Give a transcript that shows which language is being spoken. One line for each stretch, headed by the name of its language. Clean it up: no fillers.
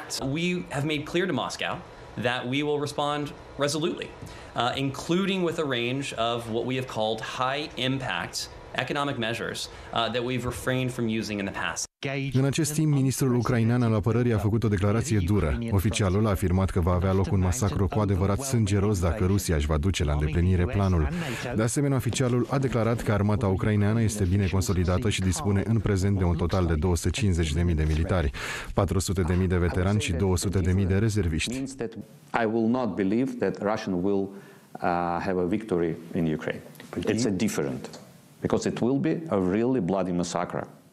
English: We have made clear to Moscow that we will respond resolutely, including with a range of what we have called high impact economic measures that we've refrained from using in the past.
Romanian: În acest timp, ministrul ucrainean al apărării a făcut o declarație dură. Oficialul a afirmat că va avea loc un masacru cu adevărat sângeros dacă Rusia își va duce la îndeplinire planul. De asemenea, oficialul a declarat că armata ucraineană este bine consolidată și dispune în prezent de un total de 250.000 de militari, 400.000 de veterani și 200.000 de rezerviști.
English: I will not believe that Russia will have a victory in Ukraine. It's a different because it will be a really bloody massacre.